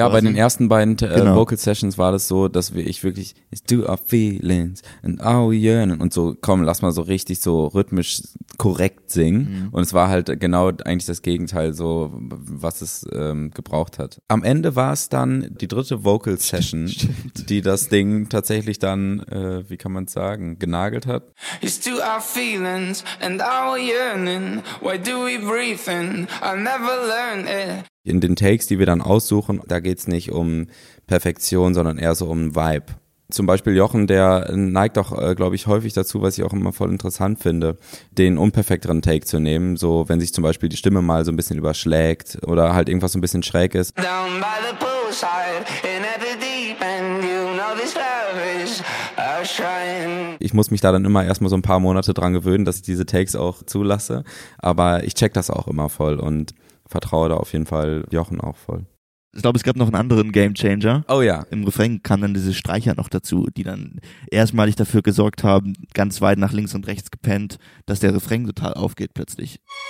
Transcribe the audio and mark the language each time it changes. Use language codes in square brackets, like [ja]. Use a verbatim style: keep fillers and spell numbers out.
[de] Ja, quasi. Bei den ersten beiden äh, genau. Vocal Sessions war das so, dass wir ich wirklich [en] it's do our feelings and our yearning [de] und so, komm, lass mal so richtig so rhythmisch korrekt singen. Mhm. Und es war halt genau eigentlich das Gegenteil so, was es ähm, gebraucht hat. Am Ende war es dann die dritte Vocal Session, die das Ding tatsächlich dann, äh, wie kann man es sagen, genagelt hat. [en] It's do our feelings and our yearning, why do we breathe in, I'll never learn it. [de] In den Takes, die wir dann aussuchen, da geht's nicht um Perfektion, sondern eher so um Vibe. Zum Beispiel Jochen, der neigt auch, äh, glaube ich, häufig dazu, was ich auch immer voll interessant finde, den unperfekteren Take zu nehmen, so wenn sich zum Beispiel die Stimme mal so ein bisschen überschlägt oder halt irgendwas so ein bisschen schräg ist. [en] Down by the poolside, in at the deep end, you know this love is a shrine. [de] Ich muss mich da dann immer erstmal so ein paar Monate dran gewöhnen, dass ich diese Takes auch zulasse, aber ich check das auch immer voll und vertraue da auf jeden Fall Jochen auch voll. Ich glaube, es gab noch einen anderen Gamechanger. Oh ja. Im Refrain kamen dann diese Streicher noch dazu, die dann erstmalig dafür gesorgt haben, ganz weit nach links und rechts gepennt, dass der Refrain total aufgeht plötzlich.